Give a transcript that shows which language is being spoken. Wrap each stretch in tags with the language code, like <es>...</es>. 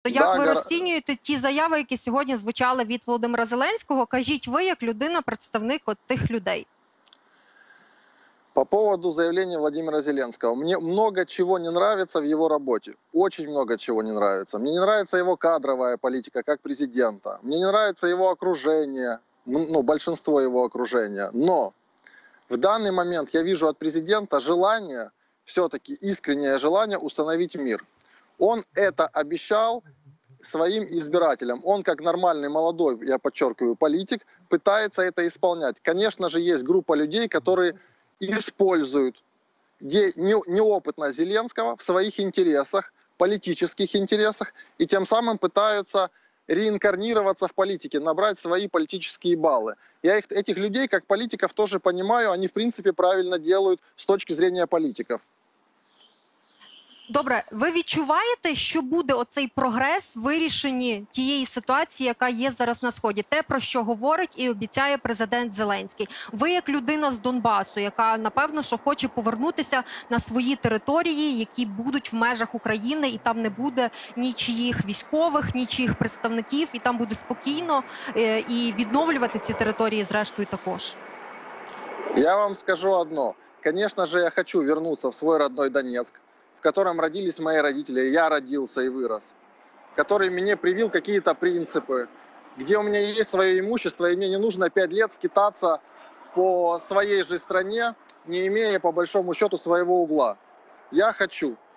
<uk>То як ви розцінюєте ті заяви, які сьогодні звучали від Володимира Зеленського? Кажіть ви, як людина, представник от тих людей.</uk> <ru>По поводу заявлений Володимира Зеленского. Мне много чего не нравится в его работе. Очень много чего не нравится. Мне не нравится его кадровая политика как президента. Мне не нравится его окружение, ну, большинство его окружения. Но в данный момент я вижу от президента желание, все-таки искреннее желание установить мир. Он это обещал своим избирателям. Он, как нормальный молодой, я подчеркиваю, политик, пытается это исполнять. Конечно же, есть группа людей, которые используют неопытность Зеленского в своих интересах, политических интересах, и тем самым пытаются реинкарнироваться в политике, набрать свои политические баллы. Я их, этих людей, как политиков, тоже понимаю, они, в принципе, правильно делают с точки зрения политиков.</ru> <uk>Добре, ви відчуваєте, що буде оцей прогрес в вирішенні тієї ситуації, яка є зараз на Сході? Те, про що говорить і обіцяє президент Зеленський. Ви як людина з Донбасу, яка, напевно, що хоче повернутися на свої території, які будуть в межах України, і там не буде нічиїх військових, нічиїх представників, і там буде спокійно, і відновлювати ці території, зрештою, також.</uk> <ru>Я вам скажу одно.</ru> <uk>Звісно ж, я хочу повернутися в свій рідний Донецьк,</uk> <ru>в котором родились мои родители, я родился и вырос, который мне привил какие-то принципы, где у меня есть свое имущество, и мне не нужно 5 лет скитаться по своей же стране, не имея по большому счету своего угла. Я хочу.</ru>